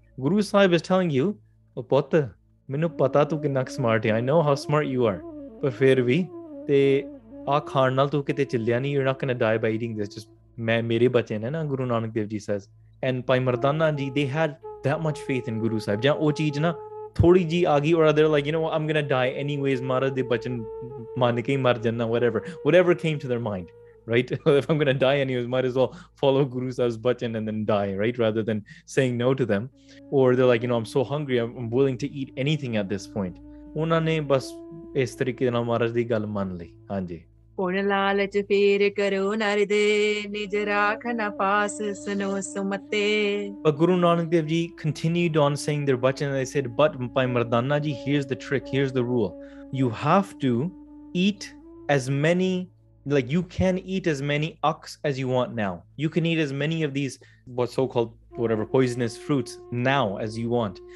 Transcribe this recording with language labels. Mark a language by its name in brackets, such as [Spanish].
[Punjabi] Guru Sahib [English] is telling you, [Punjabi] ਉਹ ਪੁੱਤ, ਮੈਨੂੰ ਪਤਾ ਤੂੰ ਕਿੰਨਾ ਸਮਾਰਟ ਹੈ, [English] I know how smart you are, [Punjabi] ਪਰ ਫਿਰ ਵੀ ਤੇ ਆਹ ਖਾਣ ਨਾਲ ਤੂੰ ਕਿਤੇ ਚੱਲਿਆ ਨਹੀਂ, [English] you ਨਾ can die by eating this, [Punjabi] just ਮੈਂ ਮੇਰੇ ਬੱਚੇ ਨੇ ਨਾ, ਗੁਰੂ ਨਾਨਕ ਦੇਵ ਜੀ [English] Says. And Bhai Mardana ji, they had that much faith in Guru Sahib, [Punjabi] ਜਾਂ ਉਹ ਚੀਜ਼ ਨਾ ਥੋੜੀ ਜੀ ਆ ਗਈ, [English] or they like you know I'm going to die anyways, [Punjabi] ਮਹਾਰਾਜ ਦੇ ਬਚਨ ਮੰਨ ਕੇ ਹੀ ਮਰ ਜਾਂਦਾ, [English] Whatever came to their mind, right? If I'm going to die anyways, might as well follow Guru Sahib's bachan and then die, right? Rather than saying no to them. Or they're like, you know, I'm so hungry, I'm willing to eat anything at this point. [Punjabi] ਉਹਨਾਂ ਨੇ ਬਸ ਇਸ ਤਰੀਕੇ ਨਾਲ ਮਹਾਰਾਜ ਦੀ ਗੱਲ ਮੰਨ ਲਈ। ਹਾਂਜੀ ਹੁਣ ਲਾਲਚ ਫੇਰ ਕਰੋ ਨਰਦੇ ਨਿਜ ਰਾਖ ਨਾ ਪਾਸ ਸੁਨੋ ਸੁਮਤੇ। [English] But Guru Nanak Dev Ji continued on saying their bachan and they said, but Bhai Mardana Ji, here's the trick, here's the rule. You have to eat as many, like you can eat as many aks as you want now. You can eat as many of these, what so-called, whatever, poisonous fruits now as you want.